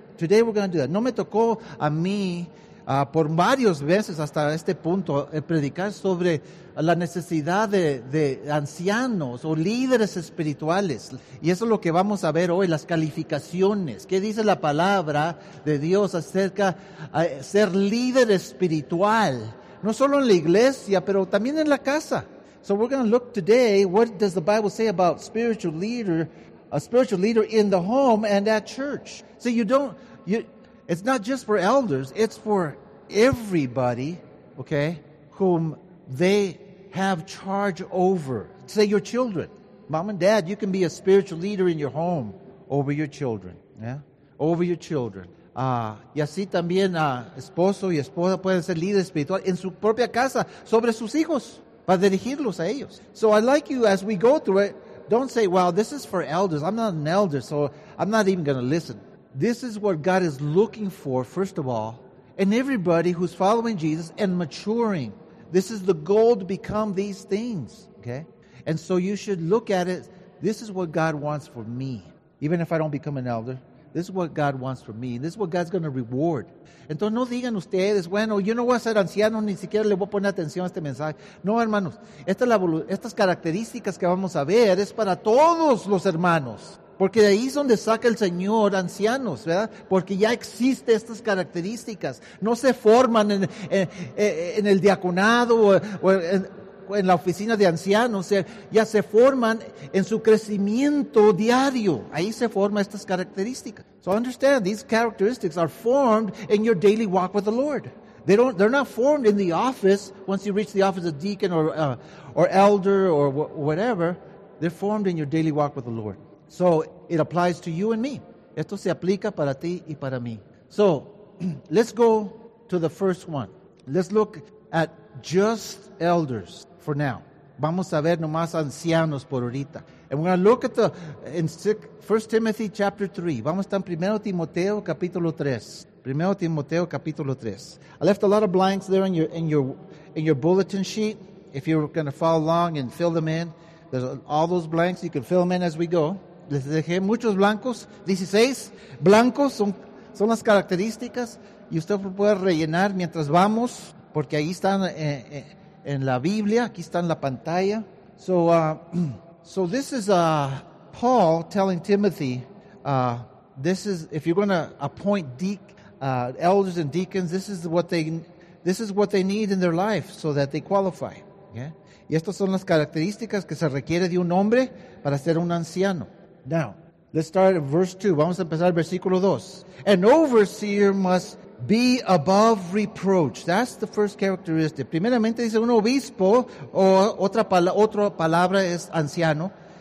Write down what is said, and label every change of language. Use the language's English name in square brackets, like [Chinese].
[Spanish] No me tocó a mí, por varios veces hasta este punto, predicar sobre la necesidad de ancianos o líderes espirituales. Y eso es lo que vamos a ver hoy, las calificaciones. ¿Qué dice la palabra de Dios acerca de ser líder espiritual? No solo en la iglesia, pero también en la casa. [English] So we're going to look today, what does the Bible say about a spiritual leader in the home and at church? See, it's not just for elders, it's for everybody, okay, whom they have charge over. Say your children. Mom and dad, you can be a spiritual leader in your home over your children, yeah? Over your children. [Spanish] Y así también esposo y esposa pueden ser líder espiritual en su propia casa, sobre sus hijos, para dirigirlos a ellos. [English] So I'd like you, as we go through it, don't say, well, this is for elders. I'm not an elder, so I'm not even going to listen. This is what God is looking for, first of all, and everybody who's following Jesus and maturing. This is the goal to become these things, okay? And so you should look at it. This is what God wants for me, even if I don't become an elder. This is what God wants for me. This is what God's going to reward. [Spanish] Entonces, no digan ustedes, bueno, yo no voy a ser anciano, ni siquiera le voy a poner atención a este mensaje. No, hermanos, estas características que vamos a ver es para todos los hermanos. Porque de ahí es donde saca el Señor ancianos, ¿verdad? Porque ya existen estas características. No se forman en el diaconado o en la oficina de ancianos, ya se forman en su crecimiento diario. Ahí se forman estas características. [English] So understand, these characteristics are formed in your daily walk with the Lord. They're not formed in the office once you reach the office of deacon or elder or whatever. They're formed in your daily walk with the Lord. So it applies to you and me. [Spanish] Esto se aplica para ti y para mí. [English] So let's go to the first one. Let's look at just elders for now. [Spanish] Vamos a ver nomás ancianos por ahorita. [English] And we're going to look at the in 1 Timothy chapter 3. [Spanish] Vamos a estar en 1 Timoteo capítulo 3. 1 Timoteo capítulo 3. [English] I left a lot of blanks there in your bulletin sheet. If you're going to follow along and fill them in, there's all those blanks. You can fill them in as we go. [Spanish] Les dejé muchos blancos. 16 blancos son las características. Y usted puede rellenar mientras vamos, porque ahí están en la Biblia. Aquí está en la pantalla. [English] So this is Paul telling Timothy, this is, if you're going to appoint elders and deacons, this is what they need in their life so that they qualify. Okay? [Spanish] Y estas son las características que se requiere de un hombre para ser un anciano. [English] Now, let's start at verse 2. [Spanish] Vamos a empezar versículo 2. [English] An overseer must be above reproach. That's the first characteristic. [Spanish] Primeramente dice un obispo, o otra palabra es anciano.